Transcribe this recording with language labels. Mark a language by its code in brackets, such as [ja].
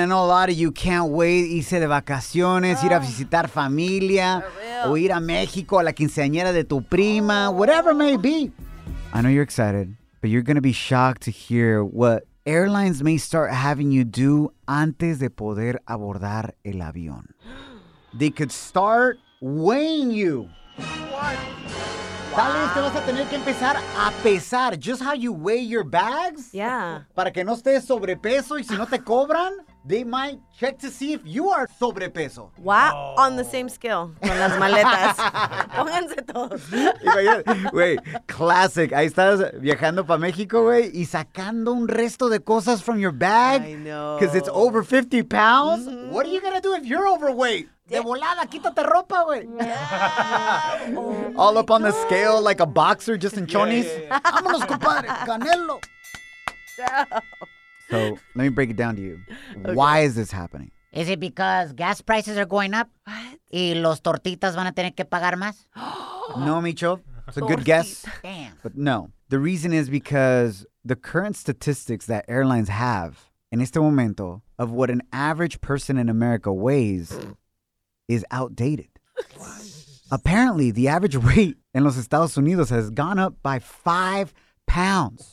[en] I know a lot of you can't wait. [es] Irse de vacaciones, ir a visitar familia, o ir a México, a la quinceañera de tu prima, [en] whatever it may be. I know you're excited, but you're going to be shocked to hear what airlines may start having you do [es] antes de poder abordar el avión. [en] They could start weighing you. What? [es] Wow. Tal vez te vas a tener que empezar a pesar. [en] Just how you weigh your bags. Yeah. [es] Para que no estés sobrepeso y si no te cobran. [en] they might check to see if you are sobrepeso. What? Oh. On the same scale. [es] Con las maletas. Pónganse todos. [en] Wait, classic. [es] Ahí estás viajando para México, güey, y sacando un resto de cosas [en] from your bag. I know. Because it's over 50 pounds. Mm-hmm. What are you going to do if you're overweight? [es] De volada, quítate ropa, güey. [en] Yeah. Oh, all up on the scale like a boxer just in chonies. Yeah. [es] Vámonos, compadre. [en] Canelo. So, let me break it down to you. Okay. Why is this happening? Is it because gas prices are going up? What? [es] Y los tortitas van a tener que pagar más? [en] No, Micho. It's a good guess. Damn. But no. The reason is because the current statistics that airlines have in [es] este momento [en] of what an average person in America weighs is outdated. Apparently, the average weight in Los Estados Unidos has gone up by 5 pounds.